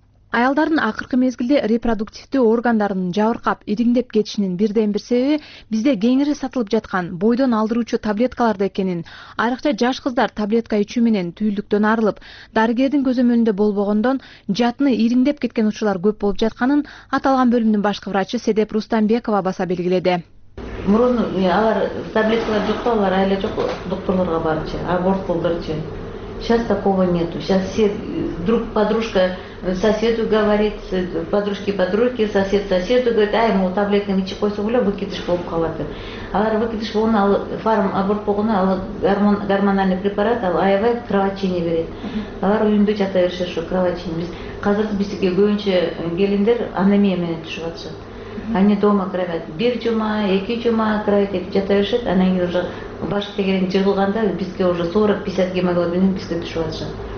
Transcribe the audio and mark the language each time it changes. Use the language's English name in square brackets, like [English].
[Kyrgyz] Аялдардын акыркы мезгилде репродуктивдүү органдарын жабыркап, ириңдеп кетишинин бирден бир себеби бизде кеңири сатылып жаткан бойдон алдыруучу таблеткаларда экенин, айрыкча жаш кыздар таблетка ичүү менен түйүлдүктөн арылып, дарыгердин көзөмөлүндө болбогондон жатыны ириңдеп кеткен учурлар көп болуп жатканын аталган бөлүмдүн башкы врачы Седеп Рустамбекова баса белгиледи. Мурун алар таблеткалар жокто, алар айла жок докторлорго барчы, аборт кылдырчы. [Russian] Сейчас такого нету. Сейчас все друг подружка соседу говорит, подружки подружки, сосед соседу говорит, [Kyrgyz] ай, мол, таблетка ничего койсо болот, выкидыш болуп калат. Алар выкидыш болгон ал фарм аборт болгону ал гормональный препарат ал аябай кровотечение берет. Алар үйүндө жата беришет, ошо кровотечение. Азыр биздики көбүнчө келиндер анемия менен түшүп атышат. [Russian] Они дома кровят. [Kyrgyz] Бир жума, эки жума кровят этип жата беришет, анан кийин уже башка деген жыгылганда бизге уже 40-50 гемоглобин бизге түшүп атышат.